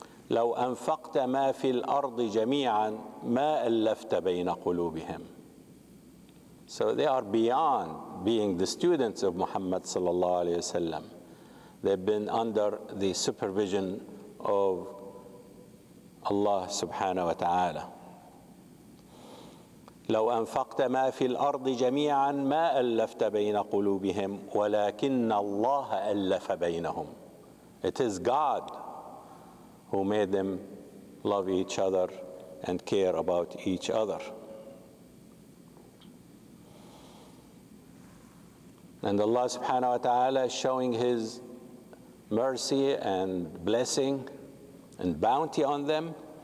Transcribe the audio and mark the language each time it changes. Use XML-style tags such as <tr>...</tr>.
<ar>لو أنفقت ما في الأرض جميعا ما ألفت بين قلوبهم.</ar> <en>So they are beyond being the students of Muhammad sallallahu alayhi wa sallam. They've been under the supervision of Allah subhanahu wa ta'ala.</en> <ar>لو أنفقت ما في الأرض جميعا ما ألفت بين قلوبهم ولكن الله ألف بينهم.</ar> <en>It is God who made them love each other and care about each other. And Allah subhanahu wa ta'ala is showing his mercy and blessing and bounty on them.</en>